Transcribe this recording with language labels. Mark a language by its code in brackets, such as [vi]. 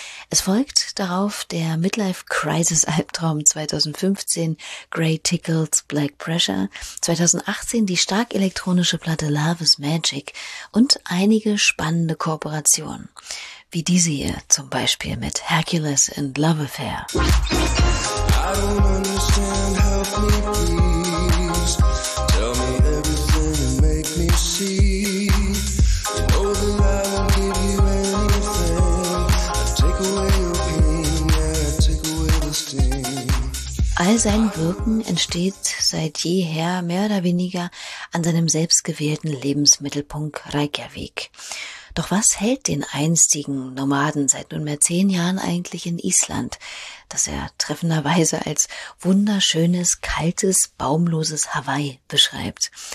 [de] Es folgt darauf der Midlife-Crisis-Albtraum 2015 Grey Tickles Black Pressure, 2018 die stark elektronische Platte Love is Magic und einige spannende Kooperationen. Wie diese hier zum Beispiel mit Hercules and Love Affair. [en] I don't understand, help me please. Tell me everything and make me see. You know that I won't give you anything. I take away your pain, yeah, I take away the sting. [de] All sein Wirken entsteht seit jeher mehr oder weniger an seinem selbstgewählten Lebensmittelpunkt Reykjavik. Doch was hält den einstigen Nomaden seit nunmehr 10 Jahren eigentlich in Island, das er treffenderweise als wunderschönes, kaltes, baumloses Hawaii beschreibt?